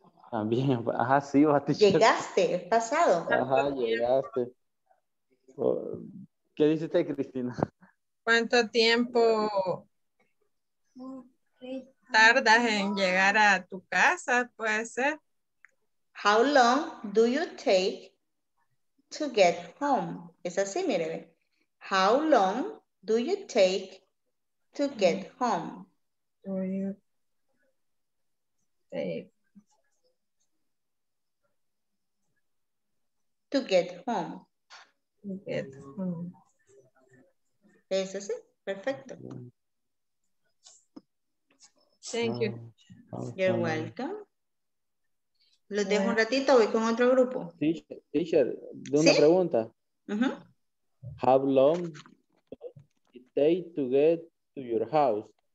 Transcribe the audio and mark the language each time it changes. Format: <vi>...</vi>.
<es>También, ajá, sí, va a decir. Llegaste, es pasado. Ajá, llegaste. ¿Qué dice usted, Cristina? ¿Cuánto tiempo tardas en llegar a tu casa? Puede ser.</es> <en>How long do you take to get home? Es así, mire. How long do you take to get home? To get home.</en> <es>Es así, perfecto.</es> <en>Thank you. You're welcome.</en> <es>Los dejo un ratito, voy con otro grupo. Teacher, de una pregunta.</es> <en>How long does it take to get to your house?</en>